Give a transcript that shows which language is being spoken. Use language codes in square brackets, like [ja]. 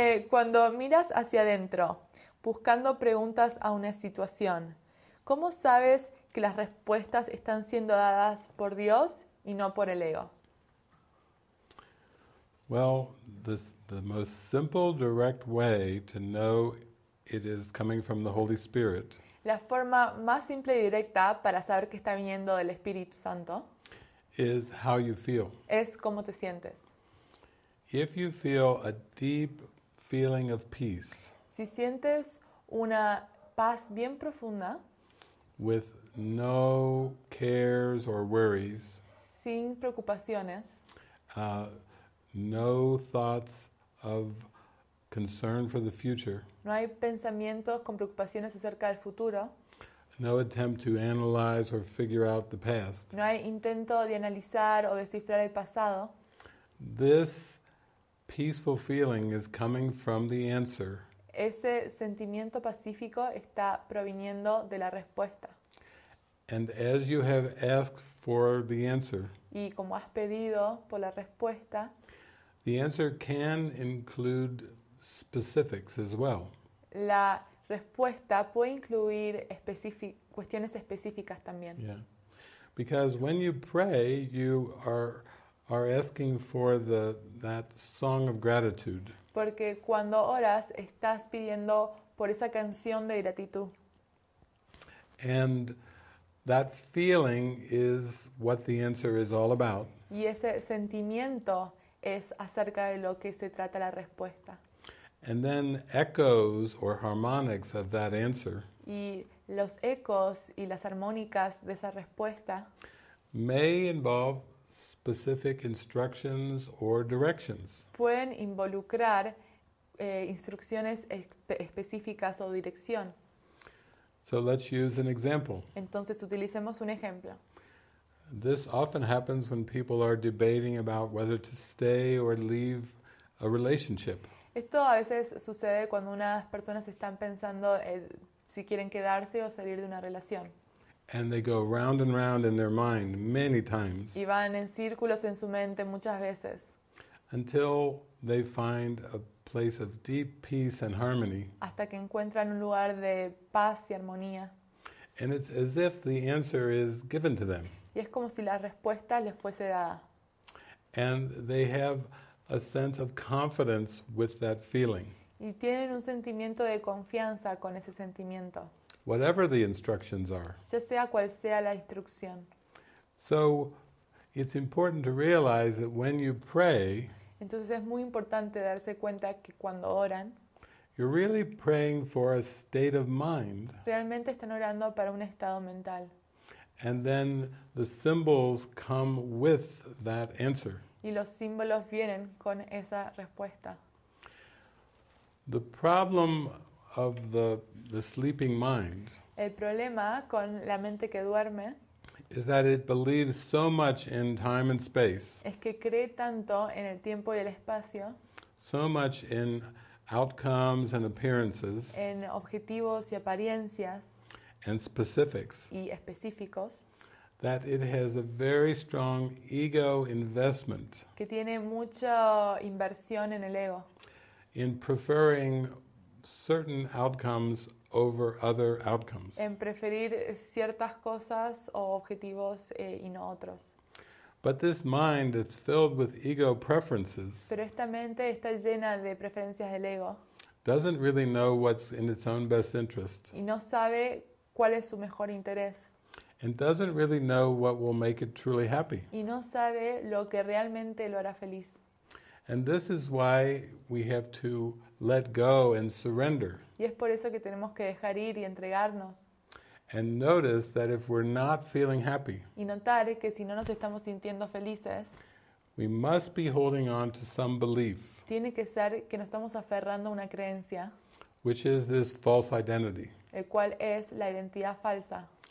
[es] Cuando miras hacia adentro, buscando preguntas a una situación, ¿cómo sabes que las respuestas están siendo dadas por Dios y no por el ego? [en] Well, the most simple, direct way to know it is coming from the Holy Spirit. [es] La forma más simple y directa para saber que está viniendo del Espíritu Santo [en] is how you feel. [es] Es cómo te sientes. [en] If you feel a deep feeling of peace, [es] si sientes una paz bien profunda, [en] with no cares or worries, [es] sin preocupaciones, [en] no thoughts of concern for the future, [es] no hay pensamientos con preocupaciones acerca del futuro, [en] no attempt to analyze or figure out the past, [es] no hay intento de analizar o descifrar el pasado, [en] this peaceful feeling is coming from the answer. [es] Ese sentimiento pacífico está proviniendo de la respuesta. [en] And as you have asked for the answer, [es] y como has pedido por la respuesta, [en] the answer can include specifics as well. [es] La respuesta puede incluir cuestiones específicas también. [en] Yeah. Because when you pray, you are asking for that song of gratitude. [es] Porque cuando oras, estás pidiendo por esa canción de gratitud. [en] And that feeling is what the answer is all about. [es] Y ese sentimiento es acerca de lo que se trata la respuesta. [en] And then echoes or harmonics of that answer. [es] Y los ecos y las armónicas de esa respuesta [en] may involve specific instructions or directions. [es] Pueden involucrar instrucciones específicas o dirección. [en] So let's use an example. [es] Entonces utilicemos un ejemplo. [en] This often happens when people are debating about whether to stay or leave a relationship. [es] Esto a veces sucede cuando unas personas están pensando si quieren quedarse o salir de una relación. [en] And they go round and round in their mind many times. [es] Y van en círculos en su mente muchas veces. [en] Until they find a place of deep peace and harmony. [es] Hasta que encuentran un lugar de paz y armonía. [en] And it's as if the answer is given to them. [es] Y es como si la respuesta les fuese dada. [en] And they have a sense of confidence with that feeling. [es] Y tienen un sentimiento de confianza con ese sentimiento. [en] Whatever the instructions are. [es] Ya sea cual sea la instrucción. [en] So it's important to realize that when you pray, [es] entonces es muy importante darse cuenta que cuando oran, [en] you're really praying for a state of mind. [es] Realmente están orando para un estado mental. [en] And then the symbols come with that answer. [es] Y los símbolos vienen con esa respuesta. [en] The problem of the sleeping mind. [es] El problema con la mente que duerme. [en] Is that it believes so much in time and space. [es] Es que cree tanto en el tiempo y el espacio. [en] So much in outcomes and appearances. [es] En objetivos y apariencias. [en] And specifics. [es] Y específicos. [en] That it has a very strong ego investment. [es] Que tiene mucha inversión en el ego. [en] In preferring certain outcomes over other outcomes. [es] En preferir ciertas cosas o objetivos y no otros. [en] But this mind that's filled with ego preferences. [es] Pero esta mente está llena de preferencias del ego. [en] Doesn't really know what's in its own best interest. [es] Y no sabe cuál es su mejor interés. [en] And doesn't really know what will make it truly happy. [es] Y no sabe lo que realmente lo hará feliz. [en] And this is why we have to let go and surrender. [es] Y es por eso que tenemos que dejar ir y entregarnos. [en] And notice that if we're not feeling happy. [es] Y notar que si no nos estamos sintiendo felices. [en] We must be holding on to some belief. [es] Tiene que ser que nos estamos aferrando a una creencia. [en] Which is this false identity. [es] El cual es la identidad falsa.